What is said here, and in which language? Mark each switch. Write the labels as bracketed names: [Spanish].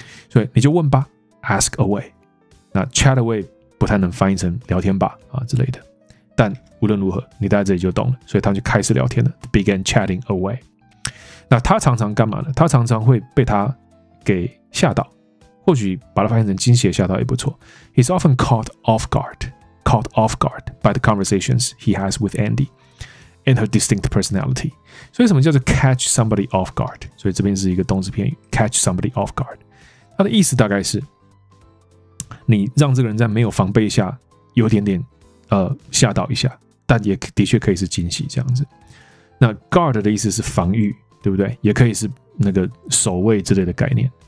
[Chinese] 所以你就问吧 ， [English] ask away。 [Chinese] 那 [English] chat away [Chinese] 不太能翻译成聊天吧啊之类的。但无论如何，你在这里就懂了。所以他们就开始聊天了 ， [English] began chatting away。 [Chinese] 那他常常干嘛呢？他常常会被他给吓到。或许把它翻译成惊喜吓到也不错。 [English] He's often caught off guard by the conversations he has with Andy and her distinct personality. [Chinese] 所以什么叫做 [English] catch somebody off guard？ [Chinese] 所以这边是一个动词片语 ，catch somebody off guard。它的意思大概是，你让这个人在没有防备下有点点吓到一下，但也的确可以是惊喜这样子。那 guard 的意思是防御，对不对？也可以是那个守卫之类的概念。